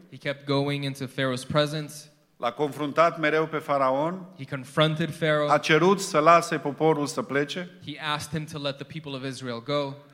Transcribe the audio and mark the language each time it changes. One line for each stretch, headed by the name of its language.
English: He kept going into Pharaoh's presence.
Romanian: L-a confruntat mereu pe Faraon.
English: He confronted Pharaoh.
Romanian: A cerut să lase poporul să plece.
English: He asked him to let the people of Israel go.